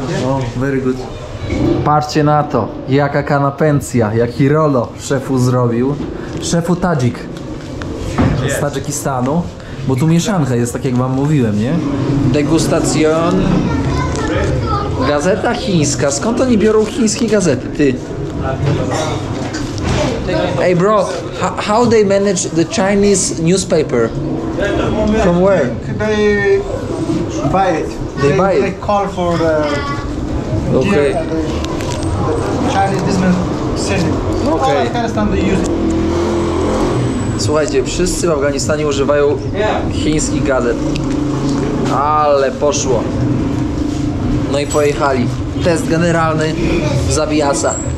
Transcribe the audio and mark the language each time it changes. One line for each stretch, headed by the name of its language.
English: Oh, very good.
Polish: Patrzcie na to. Jaka kanapencja. Jaki rolo szefu zrobił. Szefu Tadżik. Z Tadżykistanu. Bo tu mieszanka jest, tak jak wam mówiłem, nie? Degustacjon. Gazeta chińska. Skąd oni biorą chińskie gazety? Ty.
English: Hey bro, how they manage the Chinese newspaper? From where? They buy it. They buy it? They call for the... Okay. The Chinese businessman send it. Okay. All Afghanistan they use it.
Polish: Słuchajcie, wszyscy w Afganistanie używają chińskich gadżetów. Ale poszło. No i pojechali. Test generalny zabijasa.